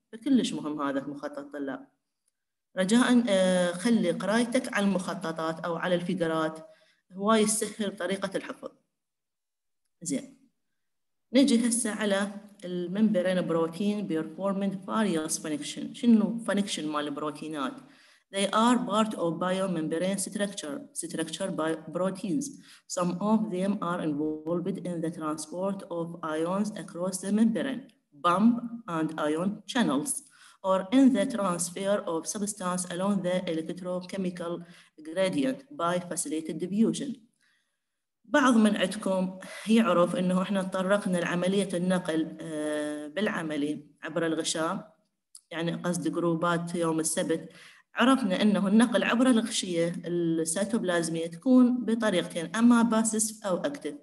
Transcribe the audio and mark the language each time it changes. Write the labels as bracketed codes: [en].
[ar] فكلش مهم هذا المخطط طلاب. رجاء خلي قرايتك على المخططات او على الفقرات، هو يسهل طريقه الحفظ. زين، نجي هسه على الممبرين بروتين بيرفورمين فاريوس فانكشن. شنو فانكشن مال البروتينات؟ [en] They are part of biomembrane structure proteins. Some of them are involved in the transport of ions across the membrane, bump and ion channels. Or in the transfer of substance along the electrochemical gradient by facilitated diffusion. [ar] بعض من عندكم يعرف انه احنا تطرقنا لعمليه النقل بالعملي عبر الغشاء، يعني قصد جروبات يوم السبت، عرفنا انه النقل عبر الغشيه السيتوبلازميه تكون بطريقتين، اما باسسف او اكتف.